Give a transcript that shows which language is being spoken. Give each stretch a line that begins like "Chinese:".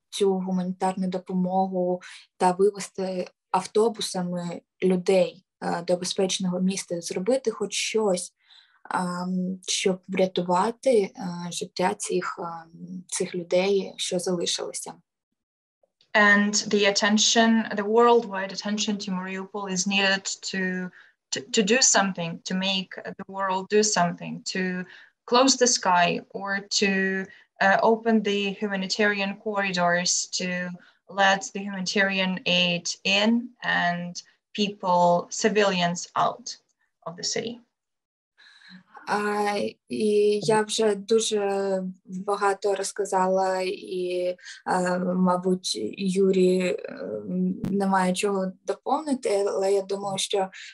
Ukrainian: цю гуманітарну допомогу та вивести автобусами людей до безпечного міста, зробити хоч щось, щоб врятувати життя цих людей, що залишилися.
English: And the attention, the worldwide attention to Mariupol is needed to do something, to make the world do something, to close the sky or to open the humanitarian corridors to let the humanitarian aid in and people, civilians out of the city.
Ukrainian: І я вже дуже багато розказала, і, мабуть, Юрі немає чого доповнити, але я думаю, що